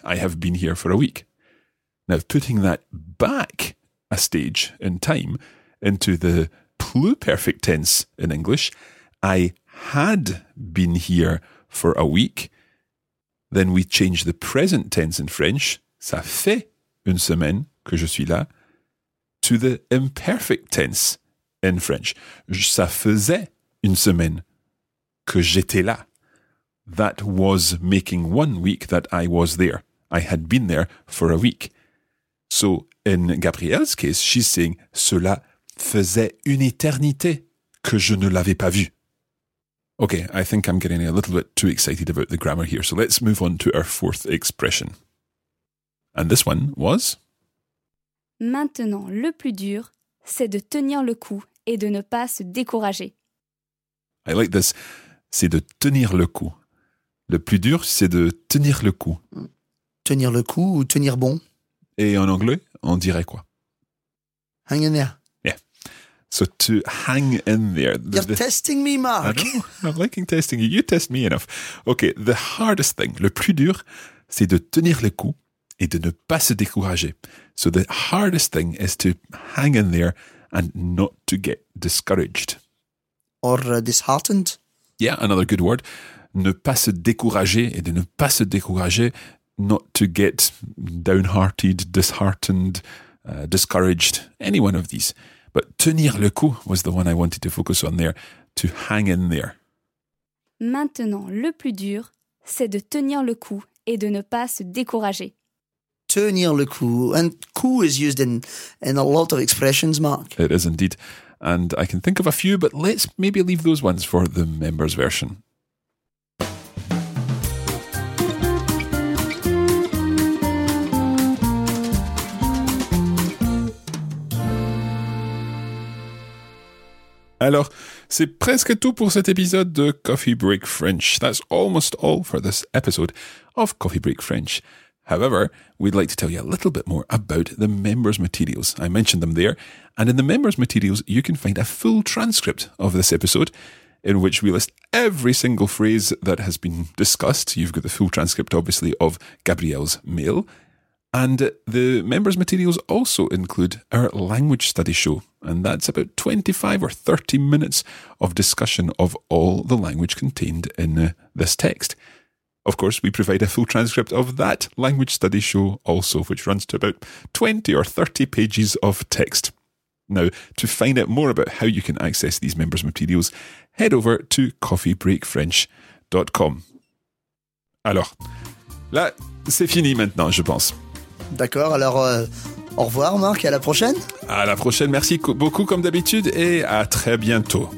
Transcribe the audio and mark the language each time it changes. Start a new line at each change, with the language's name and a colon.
English: I have been here for a week. Now, putting that back a stage in time into the pluperfect tense in English, I had been here for a week, then we change the present tense in French,
French: ça fait une semaine que je suis là,
English: to the imperfect tense in French,
French: ça faisait une semaine que j'étais là.
English: That was making 1 week that I was there. I had been there for a week. So in Gabrielle's case, she's saying,
French: cela faisait une éternité que je ne l'avais pas vu.
English: Okay, I think I'm getting a little bit too excited about the grammar here, so let's move on to our fourth expression. And this one was?
French: Maintenant, le plus dur, c'est de tenir le coup et de ne pas se décourager.
English: I like this.
French: C'est de tenir le coup. Le plus dur, c'est de tenir le coup. Tenir le coup ou tenir bon? Et en anglais, on dirait quoi?
English: Hang in there. So to hang in there. You're testing me, Mark. I know, I'm liking testing you. You test me enough. Okay, the hardest thing,
French: le plus dur, c'est de tenir le coup et de ne pas se décourager.
English: So the hardest thing is to hang in there and not to get discouraged. Or disheartened. Yeah, another good word.
French: Ne pas se décourager
English: et de ne pas se décourager, not to get downhearted, disheartened, discouraged, any one of these. But tenir le coup was the one I wanted to focus on there, to hang in there.
French: Maintenant, le plus dur, c'est de tenir le coup et de ne pas se décourager.
English: Tenir le coup, and coup is used in a lot of expressions, Mark. It is indeed, and I can think of a few, but let's maybe leave those ones for the members' version.
French: Alors, c'est presque tout pour cet épisode de Coffee Break French.
English: That's almost all for this episode of Coffee Break French. However, we'd like to tell you a little bit more about the members' materials. I mentioned them there. And in the members' materials, you can find a full transcript of this episode in which we list every single phrase that has been discussed. You've got the full transcript, obviously, of Gabrielle's mail. And the members' materials also include our language study show. And that's about 25 or 30 minutes of discussion of all the language contained in this text. Of course, we provide a full transcript of that language study show also, which runs to about 20 or 30 pages of text. Now, to find out more about how you can access these members' materials, head over to coffeebreakfrench.com.
French: Alors, là, c'est fini maintenant, je pense. D'accord, alors au revoir Marc, à la prochaine. À la prochaine, merci beaucoup comme d'habitude et à très bientôt.